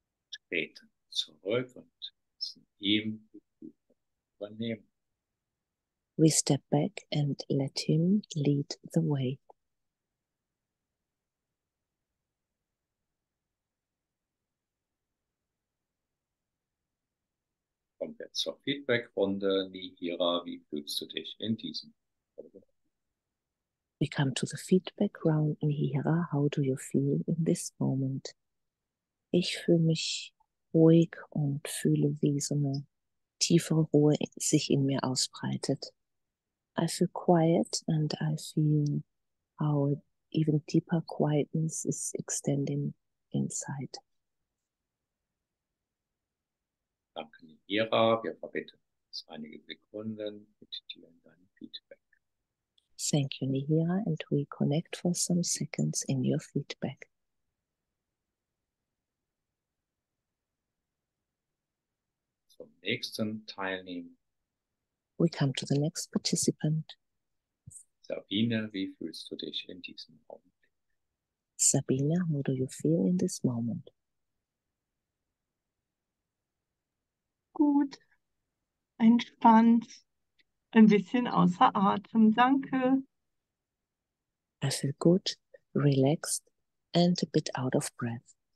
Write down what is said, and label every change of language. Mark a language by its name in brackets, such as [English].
[German] Treten zurück und lassen ihm die Führung übernehmen. [English] We step back and let him lead the way. [German] kommen wir zur Feedback-Runde. Nihira, wie fühlst du dich in diesem? [English] We come to the feedback round, Nihira. How do you feel in this moment? [German] Ich fühle mich ruhig und fühle, wie so eine tiefe Ruhe sich in mir ausbreitet. [English] I feel quiet and I feel how even deeper quietness is extending inside. [German] Danke, Nihira. Wir verbinden uns einige Sekunden mit dir in deinem Feedback. [English] Thank you, Nihira, and we connect for some seconds in your feedback. [German] Zum nächsten Teilnehmer. [English] We come to the next participant. [German] Sabine, wie fühlst du dich in diesem Augenblick? [English] Sabine, how do you feel in this moment? [German] Gut, entspannt, ein bisschen außer Atem, danke. [English] I feel good, relaxed and a bit out of breath.